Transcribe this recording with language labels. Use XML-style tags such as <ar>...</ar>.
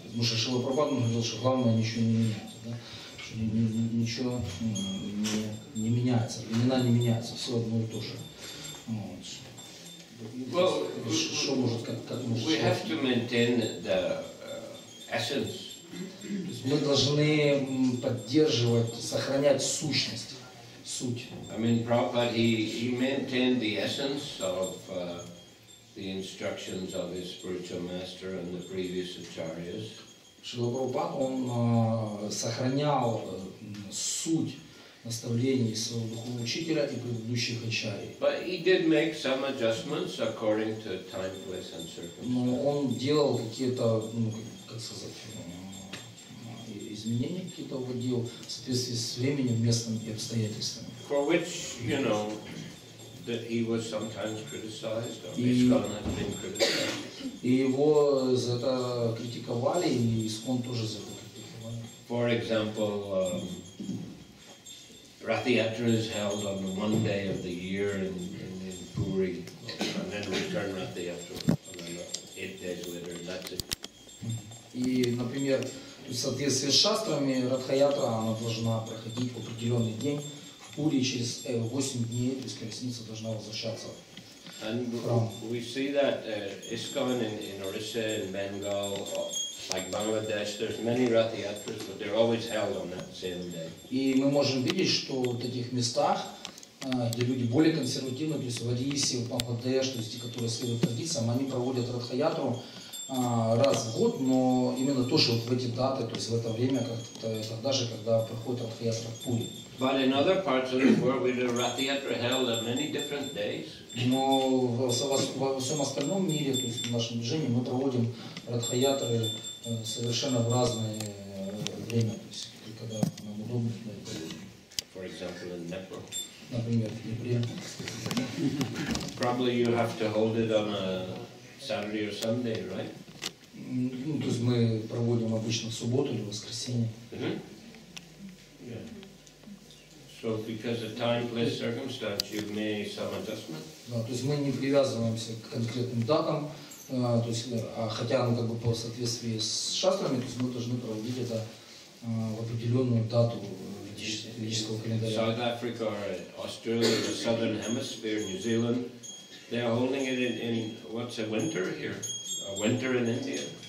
<ru>Потому что Шрила Прабхупада говорил, что главное ничего не менять. Да? Что ничего не меняется, времена не меняются, все одно и то же.</ru> <en>We have to maintain the essence.</en> <ru>Мы должны поддерживать, сохранять сущность, суть.</ru> <en>I mean, Prabhupada, he maintained the essence of the instructions of his spiritual master and the previous acharyas.</en> <ru>Шрила Прабхупада, он сохранял суть наставлений своего духовного учителя и предыдущих ачарий. Но он делал какие-то, ну, как сказать, изменения какие-то вводил в соответствии с временем, местом и обстоятельствами.</ru> <en>For which, you know, that he was sometimes criticized, or ISKCON has been criticized.</en> <ru>И его за это критиковали, и ISKCON тоже за это критиковали.</ru> <en>For example, Rathiyatra is held on the one day of the year in Puri, and then return Rathiyatra on another 8 days later, and that's it.</en> <ru>И, например, в соответствии с шастрами, Радхаятра она должна проходить в определенный день в Пури, через 8 дней, то есть колесница должна возвращаться.</ru> <en>And we see that ISKCON in Orissa, in Bengal, like Bangladesh, there's many Rathiyatras, but they're always held on that same day.</en> <ru>И мы можем видеть, что в таких местах, где люди более консервативны, то есть в Орисе, в Бангладеш, то есть те, которые следуют традициям, они проводят Радхаятру раз в год, но именно то, что вот в эти даты, то есть в это время, как-то тогда же, когда проходит Радхаятра в Пури.</ru> <en>But in other parts of the world, we've had Rathiyatra held on many different days.</en> <ru>Но во всем остальном мире, то есть в нашем движении, мы проводим Радхаятры совершенно в разное время, то есть когда нам удобно.</ru> <en>For example, in Nepal.</en> <ru>Например, в Днепре.</ru> <en>Probably you have to hold it on a Saturday or Sunday, right?</en> <ru>Ну, то есть мы проводим обычно в субботу или воскресенье.</ru> <en>So, because of time, place, circumstance, you've made some adjustment.</en> <ru>Да, то есть мы не привязываемся к конкретным датам, то есть, а хотя мы как бы по соответствии с шастрами, то есть мы должны проводить это в определенную дату ведического календаря.</ru> <en>South Africa, Australia, the Southern Hemisphere, New Zealand, they're holding it in what's a winter here, a winter in India.</en>